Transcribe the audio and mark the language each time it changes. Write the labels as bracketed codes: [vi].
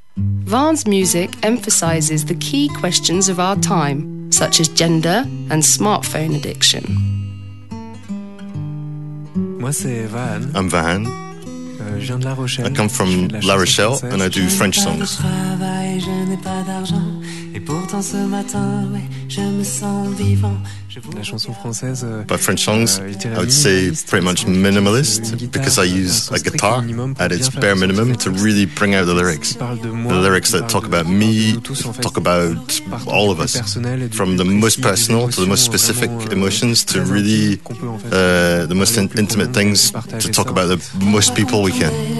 [en] Vaughan's music emphasizes the key questions of our time, such as gender and smartphone addiction. [fr] Moi, c'est Vaughan. [en] I'm Vaughan. [fr] Je viens de La Rochelle. [en] I come from La Rochelle and I do French songs. [fr] Je n'ai pas de travail, je n'ai pas d'argent. Et pourtant ce matin, ouais, je me sens vivant. La chanson française, [en] but French songs, I would say pretty much minimalist because I use a guitar at its bare minimum to really bring out the lyrics. The lyrics that talk about me, talk about all of us, from the most personal to the most specific emotions to really the most intimate things to talk about the most people we can.